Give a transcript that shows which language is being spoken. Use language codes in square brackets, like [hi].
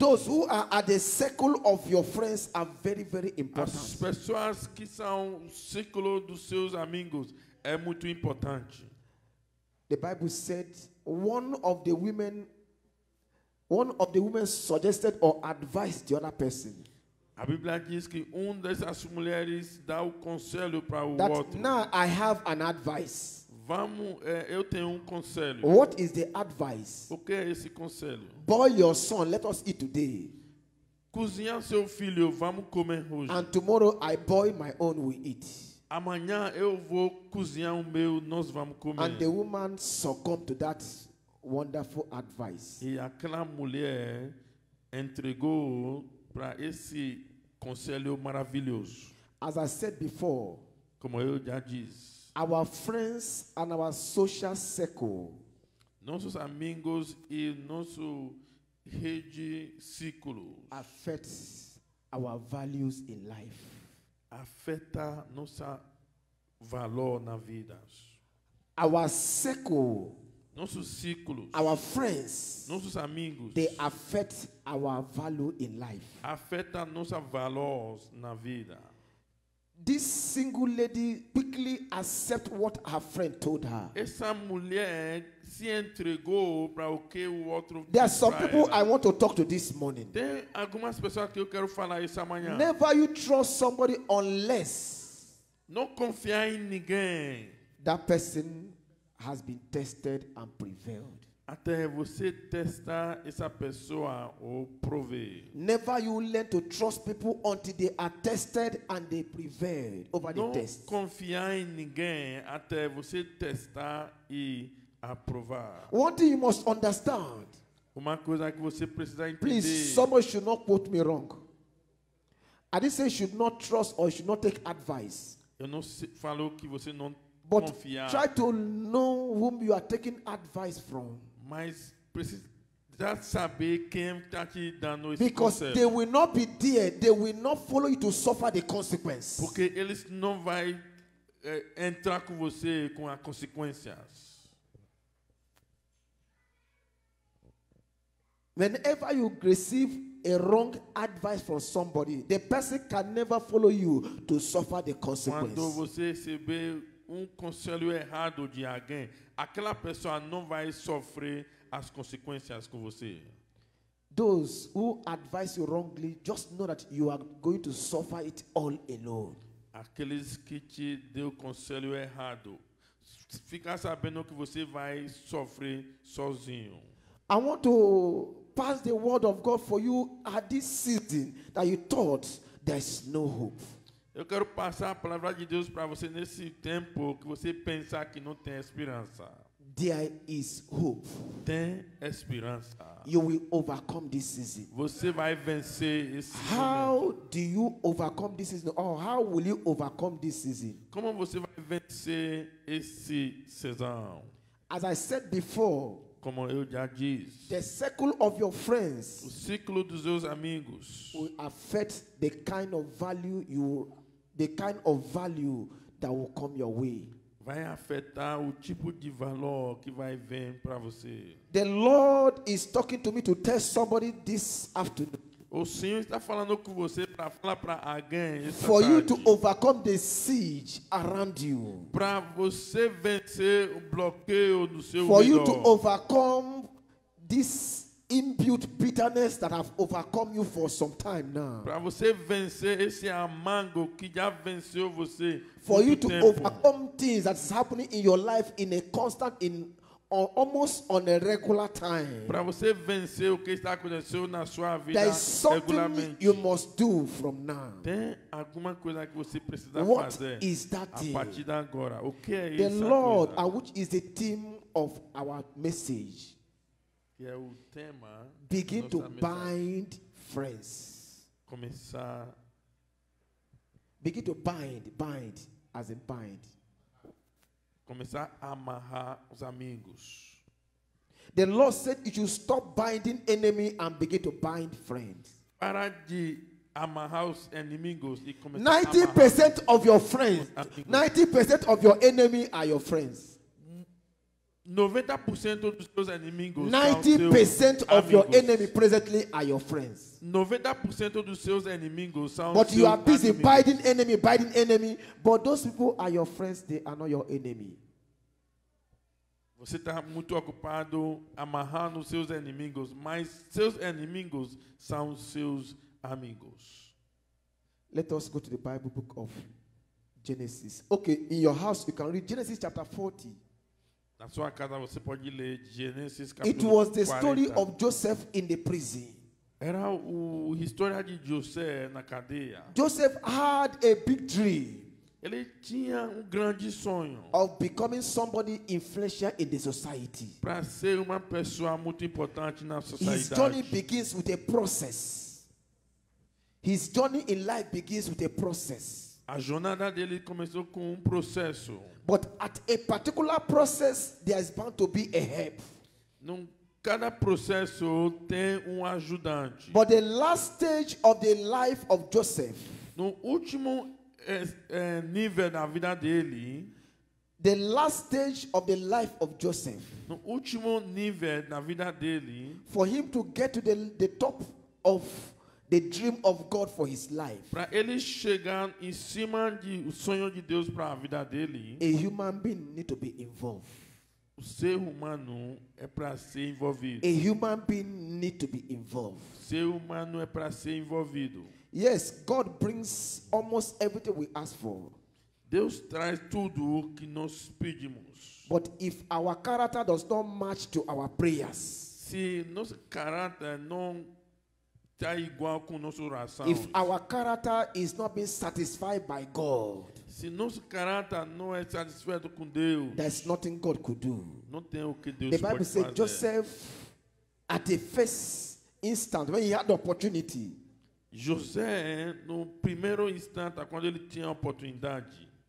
[en] Those who are at the circle of your friends are very, very important. [pt] As pessoas que são no círculo dos seus amigos é muito importante. [en] The Bible said one of the women suggested or advised the other person. [pt] A Bíblia diz que dessas mulheres dá o conselho para o [en] that [pt] outro. [en] Now I have an advice. [pt] Vamos, eu tenho conselho. [en] What is the advice? [pt] O que é esse conselho? [en] Boil your son, let us eat today. [pt] Cozinha seu filho, vamos comer hoje. [en] And tomorrow I boil my own, we eat. [pt] Amanhã eu vou cozinhar o meu, nós vamos comer. [en] And the woman succumbed to that wonderful advice. [pt] E aquela mulher entregou para esse conselho maravilhoso. [en] As I said before, [pt] como eu já disse, [en] our friends and our social circle, [pt] nossos amigos e nosso rede círculo, [en] affect our values in life. [pt] Afeta nossa valor na vida. [en] Our circle, [pt] nosso círculo, [en] our friends, [pt] nossos amigos, [en] they affect our value in life. [pt] Afeta nossa valor na vida. [en] This single lady quickly accept what her friend told her. [pt] Essa mulher se entregou para o que o outro. [en] There are some people I want to talk to this morning. [pt] Tem algumas pessoas que eu quero falar essa manhã. [en] Never you trust somebody unless [pt] não confiar em ninguém. [en] That person has been tested and prevailed. [pt] Até você testar essa pessoa ou prover. [en] Never you learn to trust people until they are tested and they prevailed over [pt] não [en] the test. [pt] Não confiar em ninguém até você testar e aprovar. [en] One thing you must understand. Uma coisa que você precisa entender. Please, someone should not quote me wrong. I didn't say should not trust or should not take advice. [pt] Eu não falo que você não [en] but [pt] confiar. [en] Try to know whom you are taking advice from. [pt] Mas precisa saber quem está te dando esse [en] because [pt] conselho. [en] They will not be there. They will not follow you to suffer the consequence. [pt] Porque eles não vão entrar com você com as consequências. [en] Whenever you receive a wrong advice from somebody, the person can never follow you to suffer the consequence. [pt] Quando você recebe conselho errado de alguém, aquela pessoa não vai sofrer as consequências com você. [en] Those who advise you wrongly, just know that you are going to suffer it all alone. [pt] Aqueles que te deu conselho errado, fica sabendo que você vai sofrer sozinho. [en] I want to pass the word of God for you at this season that you thought there's no hope. [pt] Eu quero passar a palavra de Deus para você nesse tempo que você pensa que não tem esperança. [en] There is hope. [pt] Tem esperança. [en] You will overcome this season. [pt] Você vai vencer esse momento. [en] How do you overcome this season? Or how will you overcome this season? [pt] Como você vai vencer esse season? [en] As I said before, [pt] como eu já disse, [en] the circle of your friends, [pt] o ciclo dos seus amigos, [en] will affect the kind of value you, the kind of value that will come your way. [pt] Vai afetar o tipo de valor que vai vir para você. [en] The Lord is talking to me to tell somebody this afternoon. [pt] O Senhor está falando com você para falar para alguém essa [en] For [pt] tarde. [en] You to overcome the siege around you. [pt] Para você vencer o bloqueio do seu [en] For [pt] redor. [en] You to overcome this inbuilt bitterness that have overcome you for some time now. [pt] Para você vencer esse amargo que já venceu você. [en] For you to [pt] tempo. [en] Overcome things that is happening in your life in a constant in Or almost on a regular time. [pt] Para você vencer o que está acontecendo na sua vida, [en] there is something you must do from now. [pt] Tem alguma coisa que você precisa [en] what [pt] fazer. [en] What is that thing? [pt] A partir de agora, o que é [en] the [pt] essa [en] Lord, [pt] coisa? [en] Which is the theme of our message? [pt] Que é o tema. [en] Begin to [pt] mensagem. [en] Bind friends. [pt] Começar. [en] Begin to bind as in bind. [pt] Começar a amarrar os amigos. [en] The Lord said you should stop binding enemy and begin to bind friends. [pt] Para de amarrar os inimigos e começar [en] 90% of your friends, 90% of your enemy are your friends. [pt] 90% dos seus inimigos 90% são seus [en] of your enemy presently are your friends. [pt] 90% dos seus inimigos são [en] But [pt] seus [en] you are busy [pt] inimigos. [en] biding enemy, but those people are your friends, they are not your enemy. [pt] Você está muito ocupado amarrando seus inimigos, mas seus inimigos são seus amigos. [en] Let us go to the Bible book of Genesis. Okay, in your house you can read Genesis chapter 40. [pt] Na sua casa você pode ler Gênesis capítulo 40. [en] It was the story of Joseph in the prison. [pt] Era o história de José na cadeia. [en] Joseph had a big dream. [pt] Ele tinha grande sonho. [en] Of becoming somebody influential in the society. [pt] Para ser uma pessoa muito importante na sociedade. [en] His journey begins with a process. His journey in life begins with a process. [pt] A jornada dele começou com processo. [en] But at a particular process, there is bound to be a help. [pt] Num cada processo tem ajudante. [en] But the last stage of the life of Joseph. [pt] No último nível da vida dele. [en] The last stage of the life of Joseph. [pt] No último nível da vida dele. [en] For him to get to the top of the dream of God for his life. [pt] Para ele chegar em cima de o sonho de Deus para a vida dele. [en] A human being need to be involved. [pt] O ser humano é para ser envolvido. [en] A human being need to be involved. [pt] O ser humano é para ser envolvido. [en] Yes, God brings almost everything we ask for. [pt] Deus traz tudo o que nós pedimos. [en] But if our character does not match to our prayers. [pt] Se nosso caráter não tá igual com nossa oração. [en] If our character is not being satisfied by God, [pt] se nosso caráter não é satisfeito com Deus, [en] there's nothing God could do. [pt] Não tem o que Deus pode fazer. [en] The Bible says Joseph, at the first instant when he had the opportunity, [pt] José no primeiro instante quando ele tinha a oportunidade,